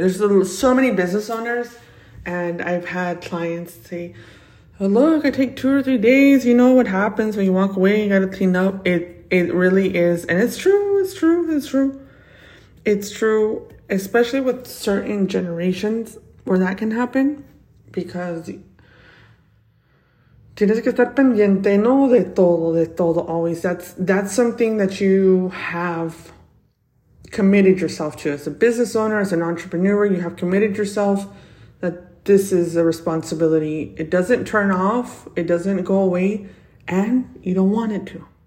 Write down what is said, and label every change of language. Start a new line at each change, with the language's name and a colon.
English: There's so many business owners, and I've had clients say, oh, look, I take 2 or 3 days. You know what happens when you walk away? You got to clean up. It really is. And it's true. It's true. It's true. It's true, especially with certain generations where that can happen. Because
Spanish: tienes que estar pendiente, no, de todo,
English: always. That's something that you have committed yourself to. As a business owner, as an entrepreneur, you have committed yourself that this is a responsibility. It doesn't turn off, it doesn't go away, and you don't want it to.